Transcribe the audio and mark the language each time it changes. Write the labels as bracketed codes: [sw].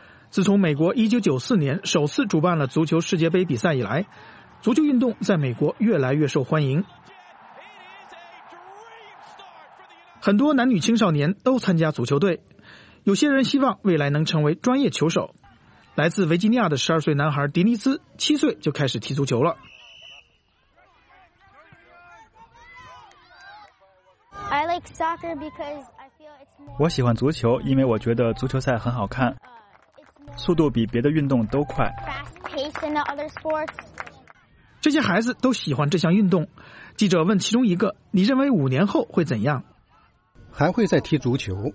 [zh] 自从美国1994年首次主办了足球世界杯比赛以来，足球运动在美国越来越受欢迎。很多男女青少年都参加足球队，有些人希望未来能成为专业球手。来自维吉尼亚的12岁男孩迪尼斯7岁就开始踢足球了。 [en] I like soccer because I feel it's more... [zh] 我喜欢足球，因为我觉得足球赛很好看，速度比别的运动都快。这些孩子都喜欢这项运动。记者问其中一个，你认为五年后会怎样？还会再踢足球。